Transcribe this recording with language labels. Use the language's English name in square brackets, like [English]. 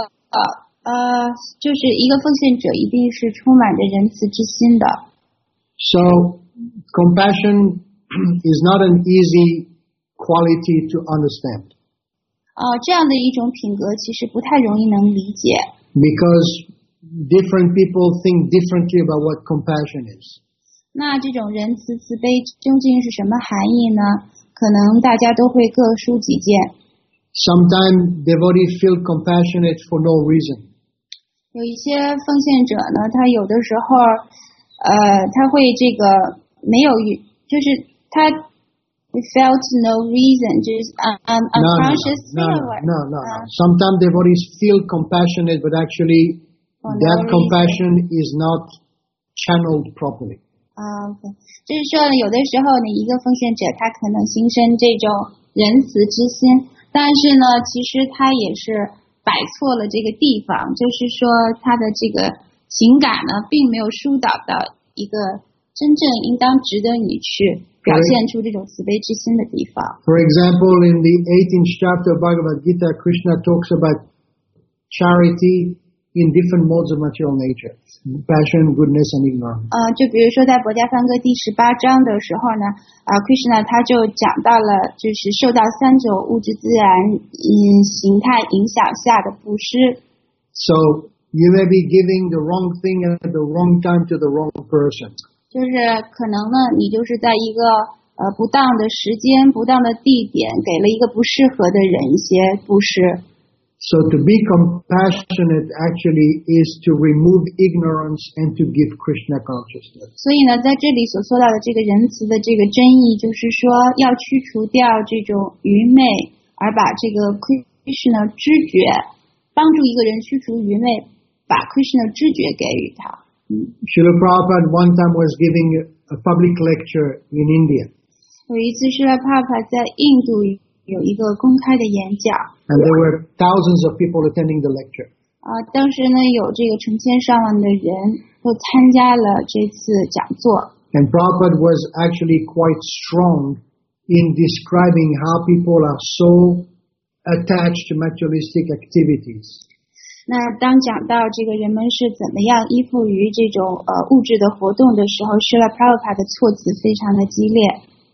[Chinese] 就是一个奉献者一定是充满着仁慈之心的。 [English] So, compassion is not an easy quality to understand. [Chinese] 这样的一种品格其实不太容易能理解。 [English] Because different people think differently about what compassion is. [Chinese] 那这种仁慈慈悲究竟是什么含义呢？可能大家都会各抒己见。 [English] Sometimes devotees feel compassionate for no reason. [Chinese] 有一些奉献者呢，他有的时候，他会这个没有，就是他 [English] felt no reason, [Chinese] 就是 [English] unconscious. No. Sometimes devotees feel compassionate, but actually that compassion is not channeled properly. [Chinese] 就是说有的时候呢，一个奉献者他可能心生这种仁慈之心，但是呢其实他也是摆错了这个地方，就是说他的这个情感呢并没有疏导到一个真正应当值得你去表现出这种慈悲之心的地方。 [English] For example, in the 18th chapter of Bhagavad Gita, Krishna talks about charityin different modes of material nature, passion, goodness, and ignorance. [Chinese] 就比如说在《博伽梵歌》第十八章的时候呢，Krishna 他就讲到了，就是受到三种物质自然形态影响下的布施。 [English] So you may be giving the wrong thing at the wrong time to the wrong person. [Chinese] 就是可能呢，你就是在一个不当的时间、不当的地点，给了一个不适合的人一些布施。 [English] So to be compassionate actually is to remove ignorance and to give Krishna consciousness. [Chinese] 所以呢，在这里所说到的这个仁慈的这个真意，就是说要去除掉这种愚昧，而把这个 Krishna 知觉，帮助一个人去除愚昧，把 Krishna 知觉给予他。 [English] Srila Prabhupada one time was giving a public lecture in India. [Chinese] 有一次，Srila Prabhupada在印度有一个公开的演讲。 [English] And there were thousands of people attending the lecture. [Chinese] 当时呢有这个成千上万的人都参加了这次讲座。 [English] And Prabhupada was actually quite strong in describing how people are so attached to materialistic activities. [Chinese] 那当讲到这个人们是怎么样依附于这种物质的活动的时候 ，Srila Prabhupada 的措辞非常的激烈。